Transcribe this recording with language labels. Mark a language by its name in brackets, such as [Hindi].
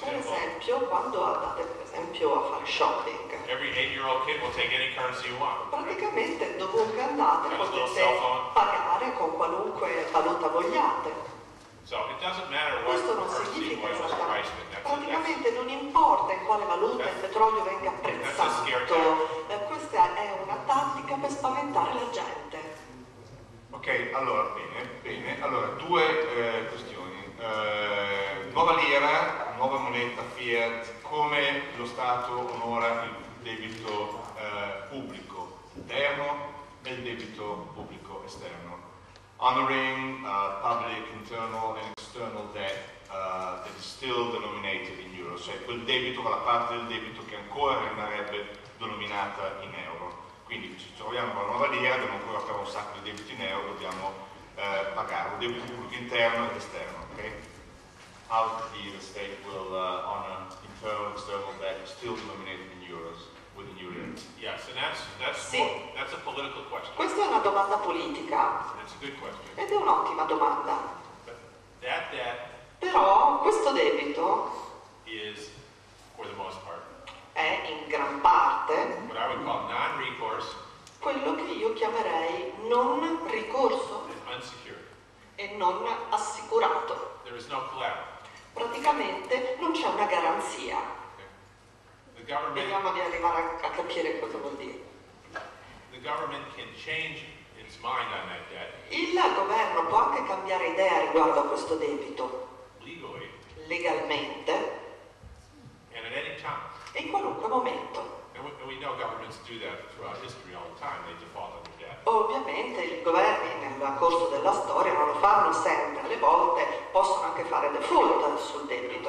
[Italian] temple, esempio, quando andate, per esempio, a fare shopping, [English] every 8-year-old kid will take any currency you want. [Italian] Praticamente, dovunque andate, potete pagare con qualunque valuta vogliate. [English] So it doesn't matter what [Italian] questo non significa praticamente non importa in quale valuta il petrolio venga apprezzato. Questa è una tattica per spaventare la gente. Ok, allora, bene, bene. Allora, due questioni. Nuova lira, nuova moneta, fiat, come lo Stato onora il debito pubblico interno e il debito pubblico esterno? [English] Honoring public internal and external debt that is still denominated in euro, [Italian] cioè quel debito, quella parte del debito che ancora rimarrebbe denominata in euro. Quindi ci troviamo con la nuova lira, dobbiamo ancora fare un sacco di debiti in euro, dobbiamo pagare un debito pubblico interno ed esterno, ok? [English] How the state will honor internal and external debt still denominated in euros with the euro? Yes, and that's a political question. [Italian] Questa è una domanda politica. [English] That's a good question. [Italian] Ed è un'ottima domanda. [English] That debt. [Italian] Però questo debito [English] is, for the most part, [Italian] è in gran parte [English] what I would call non-recourse, [Italian] quello che io chiamerei non ricorso [English] unsecured, [Italian] e non assicurato. [English] There is no collateral. [Italian] Praticamente non c'è una garanzia. [English] The government, [Italian] vediamo di arrivare a capire cosa vuol dire. [English] The government can change its mind on that debt. [Italian] Il governo può anche cambiare idea riguardo a questo debito. [English] Legally. [Italian] Legalmente. [English] And at any time. [Italian] E in qualunque momento. [English] And we know governments do that throughout history all the time. They default on their debt. [Italian] Ovviamente i governi nel corso della storia non lo fanno sempre. Alle volte possono anche fare default sul debito.